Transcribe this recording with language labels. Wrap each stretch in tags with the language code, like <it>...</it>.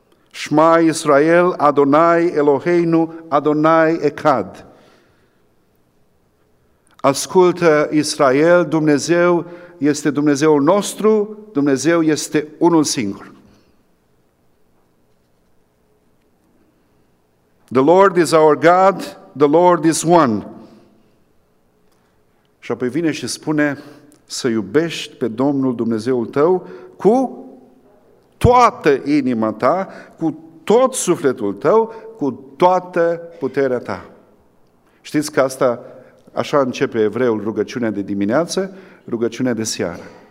<he>Shma Israel Adonai Eloheinu Adonai Echad.</he> <ro>Ascultă Israel, Dumnezeu este Dumnezeul nostru, Dumnezeu este unul singur.</ro> <en>The Lord is our God, the Lord is one.</en> <ro>Și apoi vine și spune să iubești pe Domnul Dumnezeul tău cu toată inima ta, cu tot sufletul tău, cu toată puterea ta. Știți că asta, așa începe evreul rugăciunea de dimineață, rugăciunea de seară.</ro>